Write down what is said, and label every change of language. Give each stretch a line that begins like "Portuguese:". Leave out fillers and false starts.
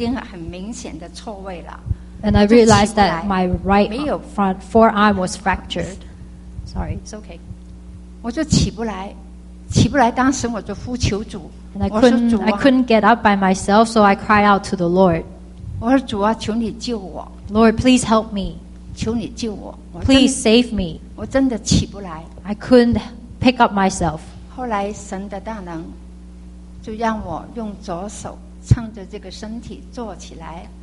Chinese: 后来我就发现我那个右手啊，我自己就知道我那个右手骨折，骨头断了，因为已经很明显的错位了。And
English: I realized that my right front forearm was fractured. Sorry, it's okay.
Chinese: 我就起不来，当时我就呼求主。
English: And I couldn't get up by myself, so I cried out to the Lord.
Chinese: 我说主啊，求你救我。
English: Lord, please help me.
Chinese: 求你救我,
English: please save me.
Chinese: 我真的起不来,
English: I couldn't pick up myself.
Chinese: 后来神的大能, 就让我用左手撑着这个身体坐起来。